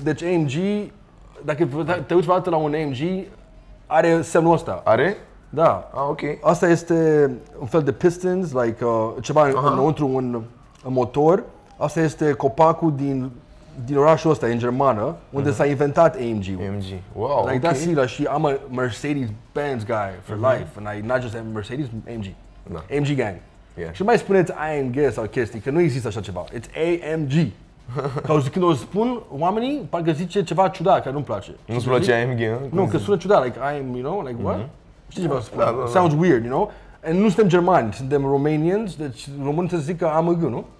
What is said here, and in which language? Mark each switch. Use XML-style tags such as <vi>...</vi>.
<ro>Deci AMG, dacă te uiți vreodată la un AMG, are semnul ăsta. Are? Da. Ah, ok. Asta este un fel de pistons, like ceva înăuntru un motor. Asta este copacul din orașul ăsta, în Germană, unde s-a inventat AMG-ul.</ro> <en>AMG. Wow, like, ok. That's it.</en> <ro>Și</ro> <en>I'm a Mercedes-Benz guy for life. And I not just a Mercedes, AMG.</en> <ro>Da.</ro> <en>AMG gang. Yeah.</en> <ro>Și mai spuneți AMG sau chestii, că nu există așa ceva.</ro> <en>It's AMG.</en> <ro>Că când o spun oamenii, parcă zice ceva ciudat, care nu-mi place. Nu-ți place AMG, nu? Nu, că sună ciudat, like, I'm, you know, like, what? Știi ce vreau să spun? Da, da, da.</ro> <en>Sounds weird, you know?</en> <ro>And nu suntem germani, suntem Romanians, deci românii se zică AMG, nu?</ro>